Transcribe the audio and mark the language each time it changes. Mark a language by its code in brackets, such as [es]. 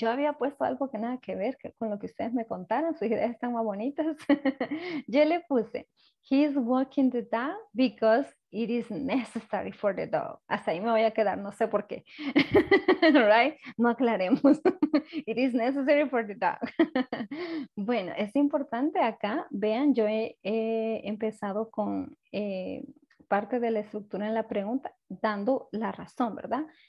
[es] Yo había puesto algo que nada que ver con lo que ustedes me contaron. Sus ideas están más bonitas. Yo le puse, [en] he's walking the dog because it is necessary for the dog. [es] Hasta ahí me voy a quedar, no sé por qué. [en] Right? [es] No aclaremos. [en] It is necessary for the dog. [es] Bueno, es importante acá. Vean, yo he empezado con parte de la estructura en la pregunta dando la razón, ¿verdad?